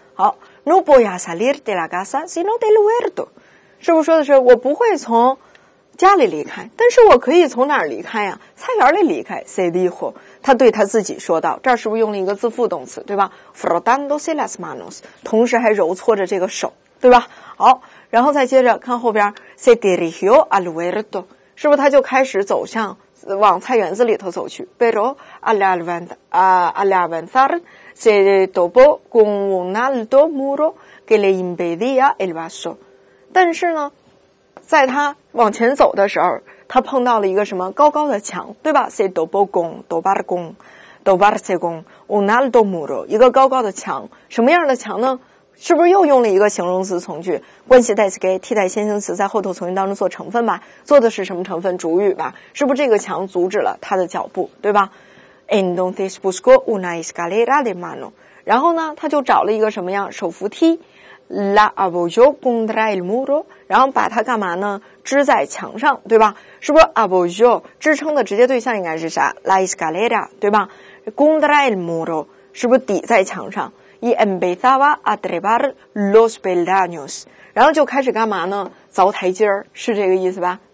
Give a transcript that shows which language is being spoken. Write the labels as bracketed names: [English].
[Chinese] 好 ， [Spanish] no voy a salir de la casa sino del huerto， [Chinese] 是不是说的是我不会从家里离开，但是我可以从哪儿离开呀？菜园里离开。 [Spanish] Se dijo， [Chinese] 他对他自己说道。这儿是不是用了一个自负动词，对吧 ？ [Spanish] Frotándose las manos， [Chinese] 同时还揉搓着这个手，对吧？好，然后再接着看后边 ， [Spanish] se dirigió al huerto， [Chinese] 是不是他就开始走向往菜园子里头走去 ？ [Spanish] Pero al avanzar se topó con un alto muro que le impedía el paso， [Chinese] 但是呢？在他往前走的时候，他碰到了一个什么高高的墙，对吧 ？ [Spanish] Se topó con dos barcos, dos barcos, un alto muro， [Chinese] 一个高高的墙，什么样的墙呢？是不是又用了一个形容词从句？关系代词 que 替代先行词，在后头从句当中做成分吧？做的是什么成分？主语吧？是不是这个墙阻止了他的脚步，对吧 ？ [Spanish] Entonces buscó una escalera de mano， [Chinese] 然后呢，他就找了一个什么样手扶梯。 [Spanish] La apoyó contra el muro， [Chinese] 然后把它干嘛呢？支在墙上，对吧？是不是 apoyó 支撑的直接对象应该是啥 ？ [Spanish] La escalera， [Chinese] 对吧 ？ [Spanish] Contra el muro， [Chinese] 是不是抵在墙上 ？ [Spanish] Y empezaba a trepar los peldaños， [Chinese] 然后就开始干嘛呢？凿台阶儿，是这个意思吧？